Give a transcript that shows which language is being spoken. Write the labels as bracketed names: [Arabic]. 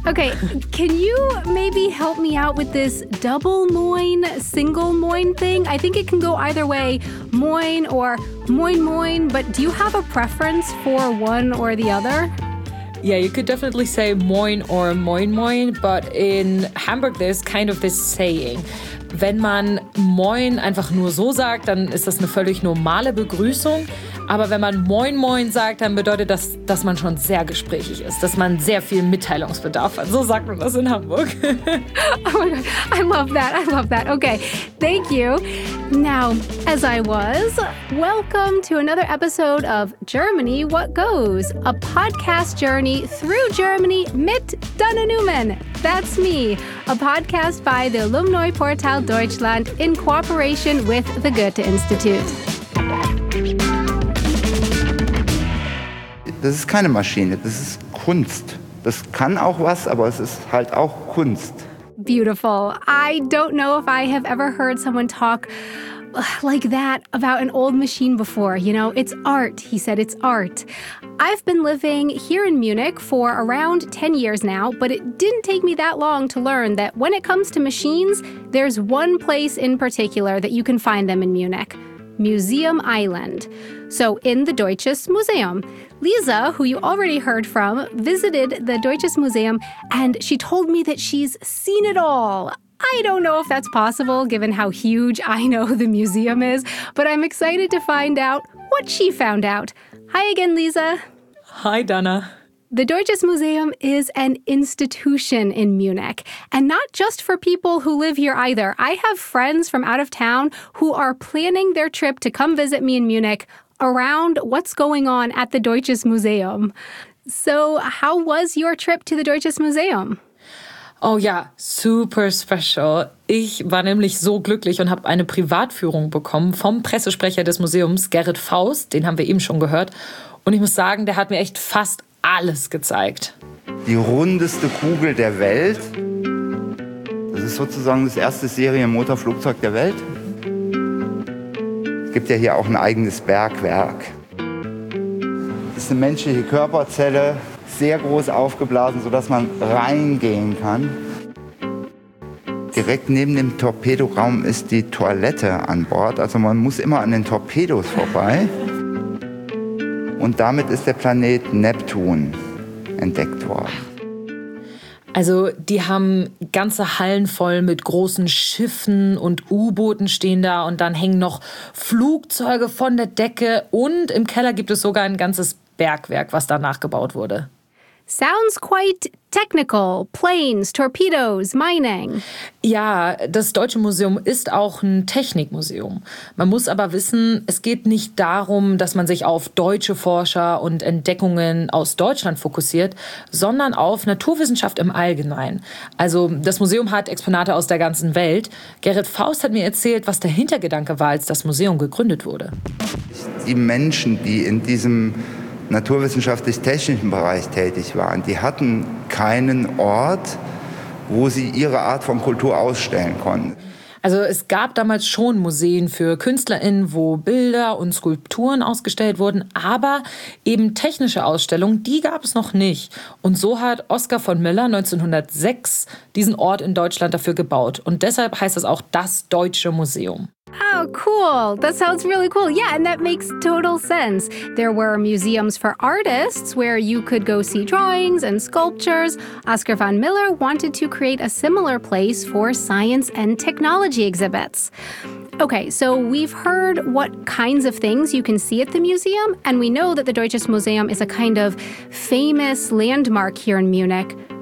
[English] Okay, can you maybe help me out with this double moin, single moin thing? I think it can go either way, moin or moin moin, but do you have a preference for one or the other? Yeah, you could definitely say moin or moin moin, but in Hamburg there's kind of this saying. [German] Wenn man moin einfach nur so sagt, dann ist das eine völlig normale Begrüßung. Aber wenn man moin moin sagt, dann bedeutet das, dass man schon sehr gesprächig ist, dass man sehr viel Mitteilungsbedarf hat. So sagt man das in Hamburg. [English] Oh my God, I love that, I love that. Okay, thank you. Now, as I was, welcome to another episode of Germany What Goes, a podcast journey through Germany [German] mit Dana Neumann. [English] That's me, a podcast by the Alumni Portal Deutschland in cooperation with the Goethe-Institut. [German] Das ist keine Maschine, das ist Kunst. Das kann auch was, aber es ist halt auch Kunst. [English] Beautiful. I don't know if I have ever heard someone talk like that about an old machine before. You know, it's art, he said, it's art. I've been living here in Munich for around 10 years now, but it didn't take me that long to learn that when it comes to machines, there's one place in particular that you can find them in Munich. Museum Island. So in the Deutsches Museum. Lisa, who you already heard from, visited the Deutsches Museum and she told me that she's seen it all. I don't know if that's possible given how huge I know the museum is, but I'm excited to find out what she found out. Hi again, Lisa. Hi, Dana. The Deutsches Museum is an institution in Munich, and not just for people who live here either. I have friends from out of town who are planning their trip to come visit me in Munich around what's going on at the Deutsches Museum. So, how was your trip to the Deutsches Museum? [German] Oh ja, [English] super special. [German] Ich war nämlich so glücklich und habe eine Privatführung bekommen vom Pressesprecher des Museums, Gerrit Faust, den haben wir eben schon gehört. Und ich muss sagen, der hat mir echt fast alles gezeigt. Die rundeste Kugel der Welt. Das ist sozusagen das erste Serienmotorflugzeug der Welt. Es gibt ja hier auch ein eigenes Bergwerk. Das ist eine menschliche Körperzelle, sehr groß aufgeblasen, sodass man reingehen kann. Direkt neben dem Torpedoraum ist die Toilette an Bord. Also man muss immer an den Torpedos vorbei. Und damit ist der Planet Neptun entdeckt worden. Also die haben ganze Hallen voll mit großen Schiffen und U-Booten stehen da und dann hängen noch Flugzeuge von der Decke und im Keller gibt es sogar ein ganzes Bergwerk, was da nachgebaut wurde. [English] Sounds quite technical. Planes, torpedoes, mining. [German] Ja, das Deutsche Museum ist auch ein Technikmuseum. Man muss aber wissen, es geht nicht darum, dass man sich auf deutsche Forscher und Entdeckungen aus Deutschland fokussiert, sondern auf Naturwissenschaft im Allgemeinen. Also das Museum hat Exponate aus der ganzen Welt. Gerrit Faust hat mir erzählt, was der Hintergedanke war, als das Museum gegründet wurde. Die Menschen, die in diesem naturwissenschaftlich-technischen Bereich tätig waren. Die hatten keinen Ort, wo sie ihre Art von Kultur ausstellen konnten. Also es gab damals schon Museen für KünstlerInnen, wo Bilder und Skulpturen ausgestellt wurden, aber eben technische Ausstellungen, die gab es noch nicht. Und so hat Oskar von Miller 1906 diesen Ort in Deutschland dafür gebaut. Und deshalb heißt es auch das Deutsche Museum. [English] Oh, cool. That sounds really cool. Yeah, and that makes total sense. There were museums for artists where you could go see drawings and sculptures. Oskar von Miller wanted to create a similar place for science and technology exhibits. Okay, so we've heard what kinds of things you can see at the museum, and we know that the Deutsches Museum is a kind of famous landmark here in Munich.